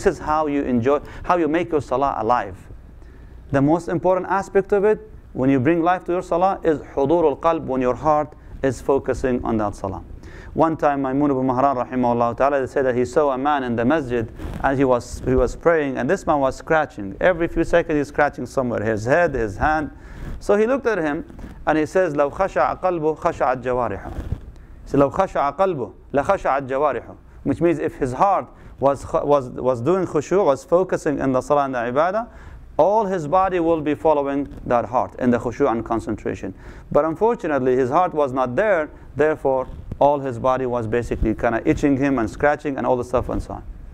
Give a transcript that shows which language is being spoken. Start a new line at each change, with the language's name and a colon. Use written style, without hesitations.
English: This is how you enjoy, how you make your salah alive. The most important aspect of it, when you bring life to your salah, is حُضُورُ الْقَلْبِ, when your heart is focusing on that salah. One time, Maymun ibn Mahran rahimahullah ta'ala, they said that he saw a man in the masjid and he was praying, and this man was scratching. Every few seconds he's scratching somewhere, his head, his hand. So he looked at him and he says,
Arabic: لَوْ خَشَعَ قَلْبُ خَشَعَ الْجَوَارِحُ.
English: He said,
Arabic: لَوْ خَشَعَ قَلْبُ لَخَشَعَ الْجَوَارِحُ.
English: Which means if his heart was doing khushu, was focusing in the salah and the ibadah, all his body will be following that heart in the khushu and concentration. But unfortunately, his heart was not there, therefore all his body was basically kind of itching him and scratching and all the stuff and so on.